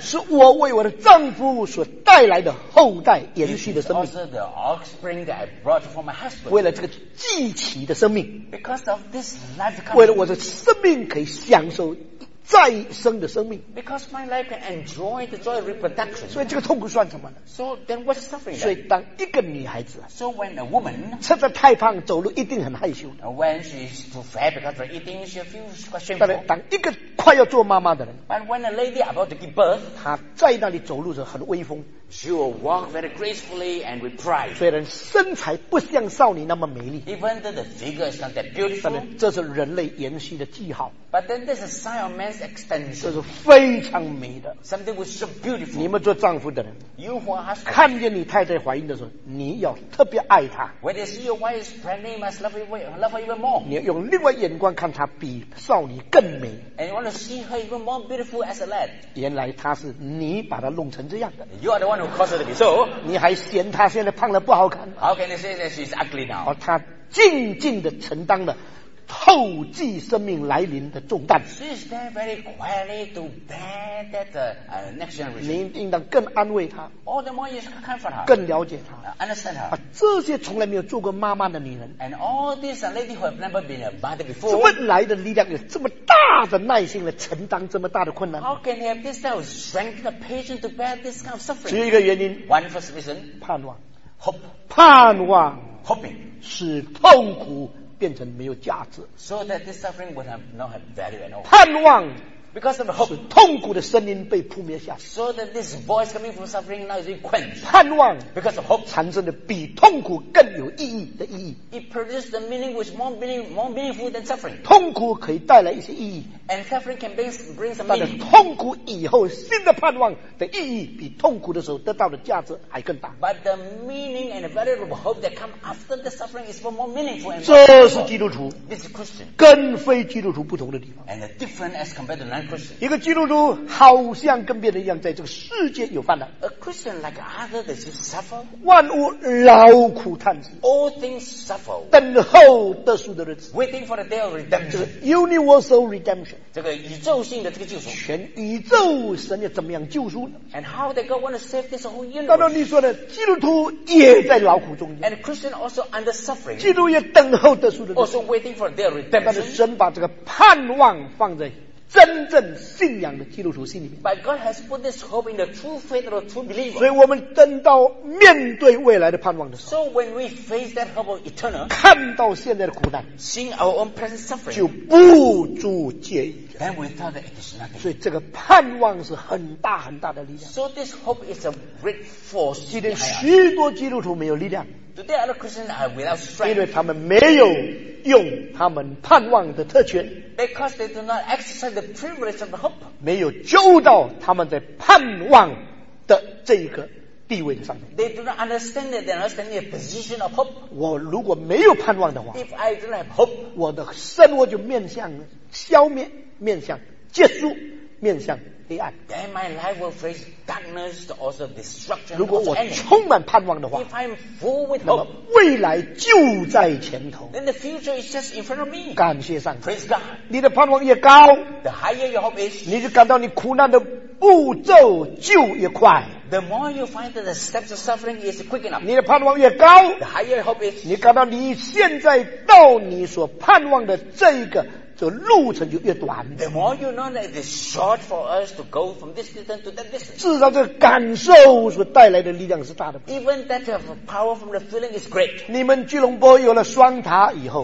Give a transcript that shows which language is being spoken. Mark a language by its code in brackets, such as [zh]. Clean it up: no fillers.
[zh] 是我为我的丈夫所带来的后代延续的生命 [en] It is also the offspring that I brought for my husband [zh] 为了这个继起的生命 [en] Because of this life coming [zh] 为了我的生命可以享受再生的生命 [en] Because my life can enjoy the joy of reproduction [zh] 所以这个痛苦算什么呢 [en] So then what's suffering [zh] 所以当一个女孩子 [en] So when a woman [zh] 吃得太胖走路一定很害羞 [en] When she's too fat because of eating she feels quite shameful [zh] 但是当一个快要做妈妈的人 [en] But when a lady about to give birth [zh] 她在那里走路的时候很威风 [en] She will walk very gracefully and with pride [zh] 虽然身材不像少女那么美丽 [en] Even though the figure is not that beautiful [zh] 但是这是人类延续的记号 [en] But then there's a sign of man's extension [zh] 这是非常美的 [en] Something was so beautiful [zh] 你们做丈夫的人 [en] You who are husband [zh] 看见你太太怀孕的时候你要特别爱她 [en] When you see your wife is pregnant you must love her even more [zh] 你要用另外眼光看她比少女更美 [en] And you want to see her even more beautiful as a lad [zh] 原来她是你把她弄成这样的 [en] You are the one who caused her to be so [zh] 你还嫌她现在胖了不好看 [en] How can you say that she's ugly now [zh] 她静静地承担了后继生命来临的重担。 [en] She is there very quietly to bear that next generation. [zh] 你应当更安慰她。 [en] All the more you should comfort her. [zh] 更了解她。 [en] Understand her. [zh] 啊，这些从来没有做过妈妈的女人。 [en] And all these ladies who have never been a mother before. [zh] 怎么来的力量有这么大的耐心来承担这么大的困难 [en] ？How can they have this kind of strength and patience to bear this kind of suffering? [zh] 只有一个原因。 [en] One first reason. [zh] 盼望。 [en] Hope. [zh] 盼望。 [en] Hoping. [zh] 使痛苦。变成没有价值。 [en] So that this suffering would have not have value at all. [zh] 盼望 [en] Because of hope. [zh] 是痛苦的声音被扑灭下。 [en] So that this voice coming from suffering now is being quenched. [zh] 盼望 [en] because of hope. [zh] 产生的比痛苦更有意义的意义。 [en] It produces the meaning which is more meaningful than suffering. [zh] 痛苦可以带来一些意义。 [en] And suffering can bring some meaning. [zh] 但是痛苦以后新的盼望的意义比痛苦的时候得到的价值还更大。 [en] But the meaning and valuable hope that come after the suffering is more meaningful. [zh] 这是基督徒。 [en] This is Christian. [zh] 跟非基督徒不同的地方。 [en] And the difference as compared to non-Christian. [zh] 一个基督徒好像跟别人一样，在这个世界有烦恼。 [en] A Christian like other that just suffer. [zh] 万物劳苦叹息。 [en] All things suffer. [zh] 等候得赎的日子。 [en] Waiting for the day of redemption. [zh] 这个 [en] universal redemption. [zh] 这个宇宙性的这个救赎，全宇宙神要怎么样救赎呢 [en] ？And how did God want to save this whole universe？ [zh] 刚刚你说的基督徒也在劳苦中间 [en] ，And Christian also under suffering。 [zh] 基督也等候得赎的 [en] ，Also waiting for their redemption。 [zh] 但是神把这个盼望放在真正信仰的基督徒心里面。 [en] But God has put this hope in the true faith of true believers。 [zh] 所以我们等到面对未来的盼望的时候 [en] ，So when we face that hope of eternal， [zh] 看到现在的苦难 [en] ，Seeing our own present suffering， [zh] 就不足介意。 [en] Then we thought that it is nothing。 [zh] 所以这个盼望是很大很大的力量。 [en] So this hope is a great force。 [zh] 今天许多基督徒没有力量。 [en] Today other Christians are without strength， [zh] 因为他们没有用他们盼望的特权。 [en] Because they do not exercise the privilege of the hope， [zh] 没有揪到他们在盼望的这一个地位的上面。 [en] They do not understand that they are not standing in a position of hope。 [zh] 我如果没有盼望的话 [en] ，If I do not have hope， [zh] 我的生活就面向消灭，面向结束，面向黑暗。 [en] Then my life will face darkness, also destruction. [zh] 如果我充满盼望的话 [en] ，If I'm full with hope， [zh] 那么未来就在前头。 [en] Then the future is just in front of me. [zh] 感谢上帝。 [en] Praise God. [zh] 你的盼望越高 [en] ，The higher your hope is， [zh] 你就感到你苦难的步骤就越快。 [en] The more you find that the steps of suffering is quick enough， [zh] 你的盼望越高 [en] ，The higher your hope is， [zh] 你感到你现在到你所盼望的这一个。这路程就越短。 [en] The more you know that it is short for us to go from this distance to that distance。 [zh] 至少这个感受所带来的力量是大的。 [en] Even that of power from the feeling is great。 [zh] 你们吉隆坡有了双塔以后